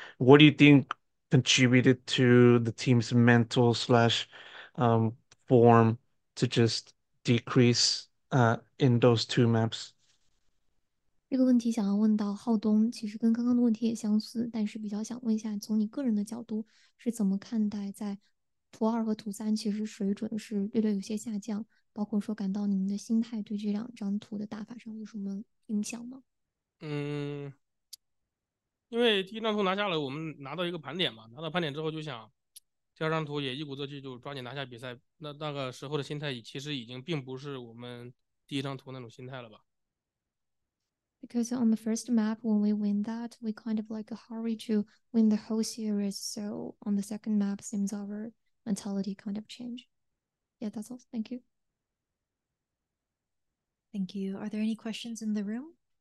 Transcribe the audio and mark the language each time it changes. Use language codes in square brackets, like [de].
[en] What do you think contributed to the team's mental slash form to just decrease in those two maps? [zh] 这个问题想要问到浩东，其实跟刚刚的问题也相似，但是比较想问一下，从你个人的角度是怎么看待在图二和图三，其实水准是略略有些下降，包括说感到你们的心态对这两张图的打法上有什么影响吗？因为第一张图拿下了，我们拿到一个盘点嘛，拿到盘点之后就想，第二张图也一鼓作气就抓紧拿下比赛。那个时候的心态其实已经并不是我们第一张图那种心态了吧。 [en] Because on the first map, when we win that, we kind of like a hurry to win the whole series. So on the second map, seems our mentality kind of change. Yeah, that's all. Thank you. Thank you. Are there any questions in the room?